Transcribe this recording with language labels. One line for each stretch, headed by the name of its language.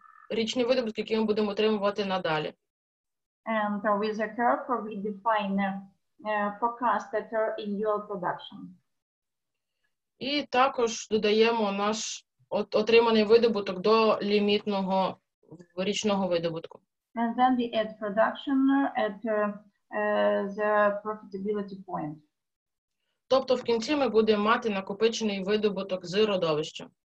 Ukrainian: річні видобутки, які ми будемо отримувати надалі.
English: And with the curve we define forecasted in your production.
Ukrainian: І також додаємо наш отриманий видобуток до лімітного річного видобутку.
English: And then we add production at the profitability point.
Ukrainian: Тобто в кінці ми будемо мати накопичений видобуток з родовища.